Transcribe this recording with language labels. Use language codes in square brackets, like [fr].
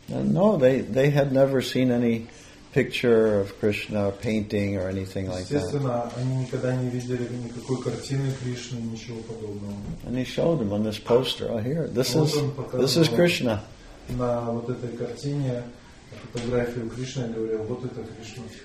[en] No, they had never seen any picture of Krishna, painting or anything like that. [ru] Естественно, они никогда не видели никакой картины Кришны, ничего подобного. [en] And he showed them on this poster, oh, here, this is Krishna. [ru] На вот этой картине, фотографию Кришны, говорил, вот это Кришна.